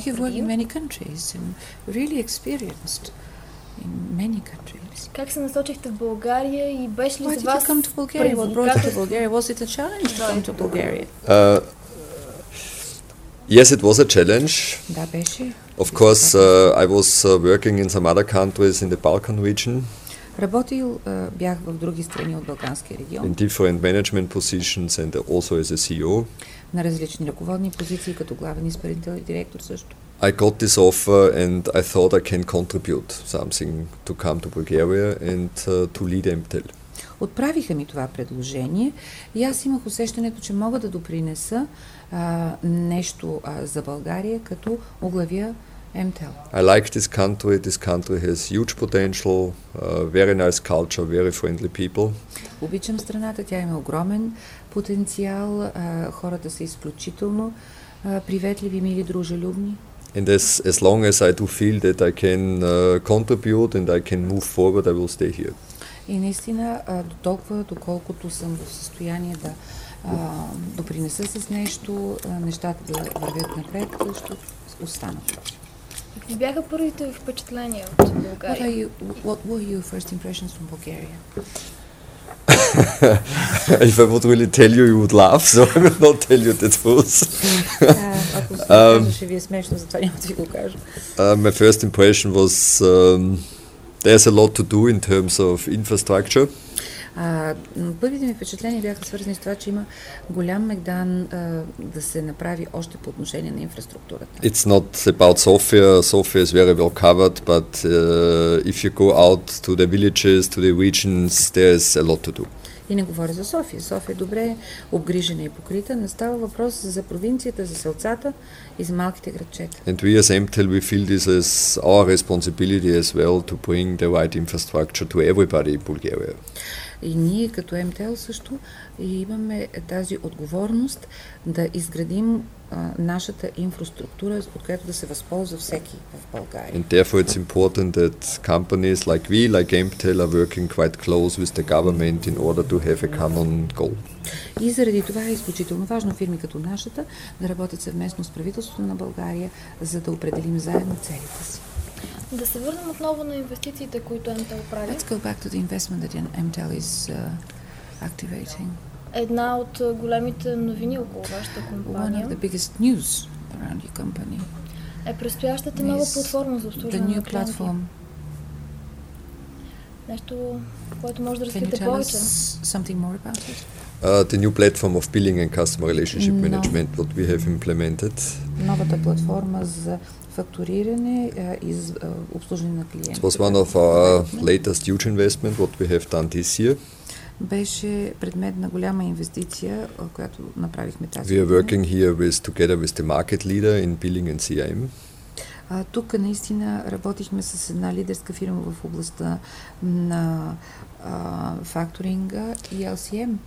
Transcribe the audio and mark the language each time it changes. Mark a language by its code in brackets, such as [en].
[en] You've worked in many countries and really experienced in many countries. [bg] Как се насочихте в България и беше ли за вас? [en] Why did you come to Bulgaria? What brought you to Bulgaria? Was it a challenge to come to Bulgaria? Yes, it was a challenge. [bg] Да, беше. [en] Of course, I was working in some other countries in the Balkan region. [bg] Работил бях в други страни от Балканския регион. [en] In different management positions and also as a CEO. [bg] На различни ръководни позиции, като главен изпълнител и директор също. [en] I got this offer and I thought I can contribute something to come to Bulgaria and to lead MTEL. [bg] Отправиха ми това предложение и аз имах усещането, че мога да допринеса нещо за България, като оглавя MTEL. [en] I like this country. This country has huge potential, very nice culture, very friendly people. [bg] Обичам страната, тя има огромен потенциал, хората са изключително приветливи, мили, дружелюбни. [en] And as long as I do feel that I can contribute and I can move forward, I will stay here. [bg] И наистина, дотолкова, доколкото съм в състояние да допринеса с нещо, нещата да вървят напред, също остана. Какви бяха първите впечатления от [en] Bulgaria? What were your first impressions from Bulgaria? If I would really tell you, you would laugh, so I will not tell you that was. My first impression was there's a lot to do in terms of infrastructure. [bg] Първите ми впечатления бяха свързани с това, че има голям мегдан да се направи още по отношение на инфраструктурата. [en] It's not about Sofia. Sofia is very well covered, but if you go out to the villages, to the regions, there's a lot to do. [bg] И не говоря за София. София е добре обгрижена и покрита, но става въпрос за провинцията, за селцата и за малките градчета. [en] And we as MTEL, we feel this is our responsibility as well to bring the right infrastructure to everybody in Bulgaria. [bg] И ние като МТЛ също имаме тази отговорност да изградим нашата инфраструктура, от която да се възползва всеки в България. [en] And therefore it's important that companies like we, like MTEL, are working quite close with the government in order to have a common goal. [bg] И заради това е изключително важно фирми като нашата да работят съвместно с правителството на България, за да определим заедно целите си. Да се върнем отново на инвестициите, които МТЛ прави. [en] Let's go back to the investment that MTEL is activating. [bg] Една от големите новини около вашата компания. [en] One of the biggest news around your company. [bg] Е предстоящата нова платформа за обслужване на клиенти. [en] The new platform. [bg] Нещо, което може да разкриете повече. [en] Can you tell us something more about it? The new platform of billing and customer relationship management, what we have implemented. [bg] Новата платформа за фактуриране и обслужване на клиенти. [en] It was one of our latest huge investment, what we have done this year. [bg] Беше предмет на голяма инвестиция, която направихме тази. [en] We are working here with, together with the market leader in billing and CRM. [bg] Тук наистина работихме с една лидерска фирма в областта на факторинга и LCM.